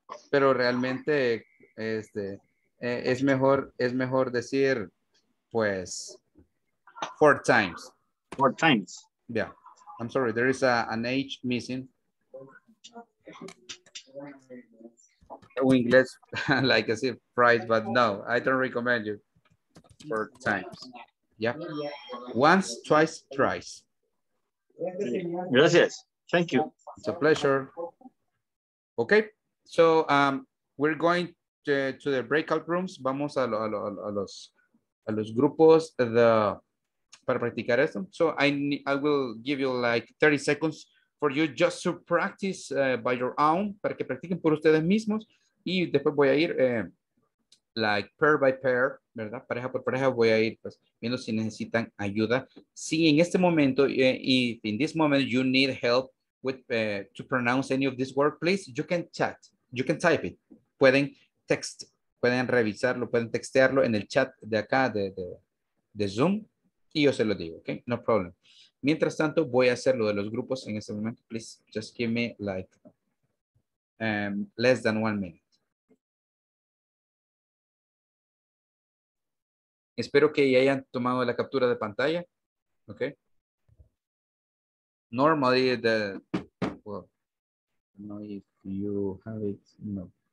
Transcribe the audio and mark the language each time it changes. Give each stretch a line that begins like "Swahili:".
Spanish: Pero realmente es mejor decir pues
English: four times. Yeah, I'm sorry, there is an H missing. In English, like I said, price, but no, I don't recommend you four times. Yeah, once, twice, thrice.
Spanish: Gracias.
English: Thank you. It's a pleasure. Okay. So we're going to the breakout rooms.
Spanish: Vamos a los grupos para practicar esto.
English: So I will give you like 30 seconds for you just to practice by your own,
Spanish: para que practiquen por ustedes mismos. Y después voy a ir
English: like pair by pair,
Spanish: ¿verdad? Pareja por pareja voy a ir pues, viendo si necesitan ayuda. Si en este momento,
English: if in this moment you need help with to pronounce any of this word, please, you can chat. You can type it.
Spanish: Pueden text, pueden revisarlo, pueden textearlo en el chat de acá de Zoom y yo se lo digo, okay?
English: No problem.
Spanish: Mientras tanto, voy a hacer lo de los grupos en este momento.
English: Please just give me like less than 1 minute.
Spanish: Espero que ya hayan tomado la captura de pantalla, okay?
English: Normally the well, no. You have it? No.